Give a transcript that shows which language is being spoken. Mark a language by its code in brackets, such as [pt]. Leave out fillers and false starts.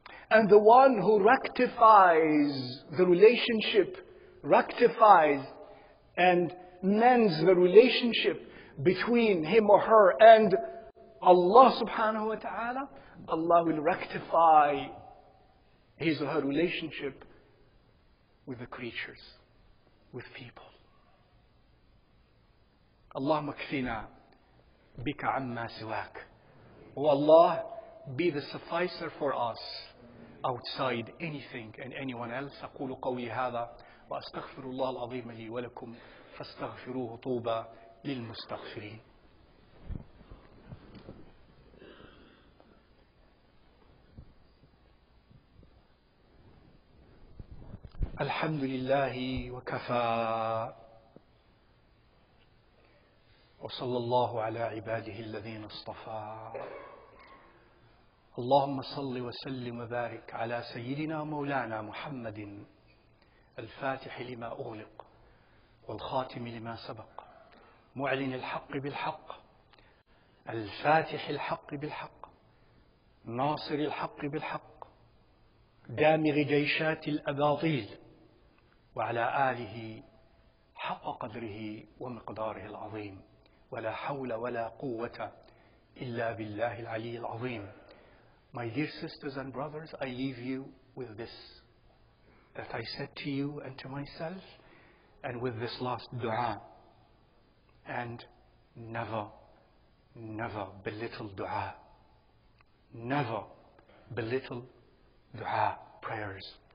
[en] And the one who rectifies the relationship, rectifies and mends the relationship between him or her and Allah subhanahu wa ta'ala, Allah will rectify his or her relationship with the creatures, with people. [ar] Allahumma kfina bika amma siwak. [en] O Allah, be the sufficer for us outside anything and anyone else. [ar] أقول قولي هذا وأستغفر الله العظيم لي ولكم فاستغفروه طوبى للمستغفرين. الحمد لله وكفى وصلى الله على عباده الذين اصطفى. اللهم صل وسلم وبارك على سيدنا مولانا محمد الفاتح لما أغلق والخاتم لما سبق، معلن الحق بالحق، الفاتح الحق بالحق، ناصر الحق بالحق، دامغ جيشات الأباطيل، وعلى آله حق قدره ومقداره العظيم. ولا حول ولا قوة إلا بالله العلي العظيم. [en] My dear sisters and brothers, I leave you with this that I said to you and to myself, and with this last dua. And never, never belittle dua. Never belittle dua, prayers.